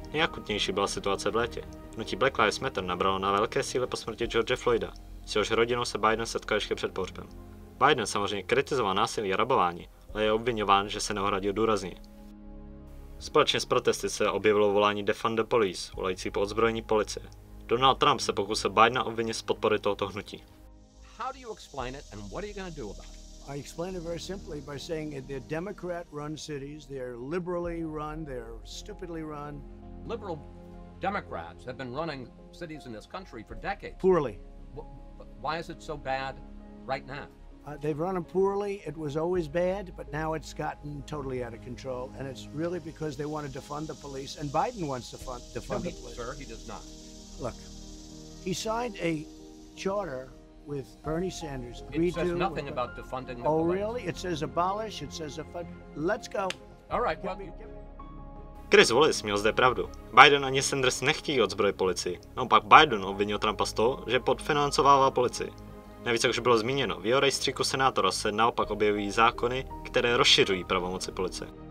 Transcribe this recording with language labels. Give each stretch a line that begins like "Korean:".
Czech: Nejakutnější byla situace v létě. Hnutí Black Lives Matter nabralo na velké síle po smrti George Floyda, s jehož rodinou se Biden setkal ještě před pohřbem. Biden samozřejmě kritizoval násilí a rabování, ale je obviňován, že se neohradil důrazně. Společně s protesty se objevilo volání Defund the Police, volající po odzbrojení policie. Donald Trump se pokusil Bidena obvinit z podpory tohoto hnutí.
English: How do you explain it and what are you going to do about it? I explain it very simply by saying that they're Democrat-run cities, they're liberally run, they're stupidly run. Liberal Democrats have been running cities in this country for decades. Poorly. Why is it so bad right now? They've run them poorly, it was always bad, but now it's gotten totally out of control, and it's really because they want to defund the police, and Biden wants to defund the police. Sir, he does not. Look, he signed a charter with Bernie Sanders. It says nothing about defunding the police. Oh, really? It says abolish, it says defund. Let's go. All right, well,
Czech: Chris Wallace měl zde pravdu. Biden ani Sanders nechtějí odzbroj policii. Naopak Biden obvinil Trumpa z toho, že podfinancovává policii. Navíc, jak už bylo zmíněno, v jeho rejstříku senátora se naopak objevují zákony, které rozšiřují pravomoci policie.